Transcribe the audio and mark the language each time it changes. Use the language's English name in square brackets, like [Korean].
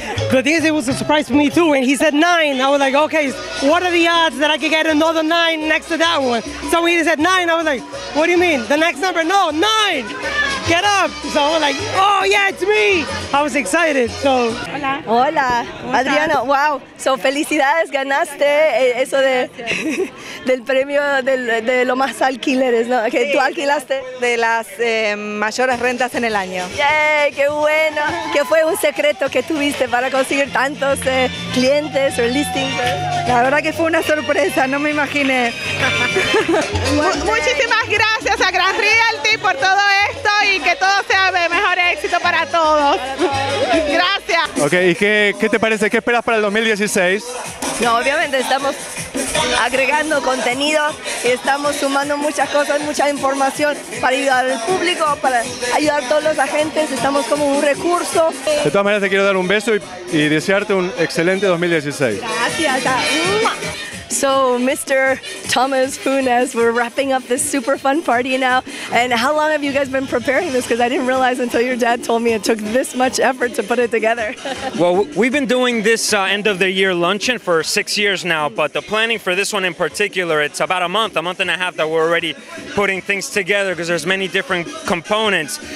[English] But this, it was a surprise for me too, and he said 9. I was like, okay, what are the odds that I could get another 9 next to that one? So when he said 9, I was like, what do you mean? The next number? No, 9! Get up! So I was like, oh yeah, it's me! I was excited, so. [Spanish] Hola. Hola. Adriana, wow. So felicidades, ganaste eso de, del premio de los más alquileres, ¿no? Que sí, tú alquilaste. De las mayores rentas en el año. Yay, qué bueno. ¿Qué fue un secreto que tuviste para conseguir tantos clientes o listings? La verdad que fue una sorpresa, no me imaginé. Muchísimas gracias a Gran Realty por todo esto y que todo sea de mejor éxito para todos. Gracias. O Ok, ¿y qué te parece? ¿Qué esperas para el 2016? No, obviamente estamos agregando contenido y estamos sumando muchas cosas, mucha información para ayudar al público, para ayudar a todos los agentes. Estamos como un recurso. De todas maneras, te quiero dar un beso y desearte un excelente 2016. Gracias. [English] So, Mr. Thomas Funes, we're wrapping up this super fun party now. And how long have you guys been preparing this? Because I didn't realize until your dad told me it took this much effort to put it together. Well, we've been doing this end of the year luncheon for 6 years now, but the planning for this one in particular, it's about a month and a half that we're already putting things together because there's many different components.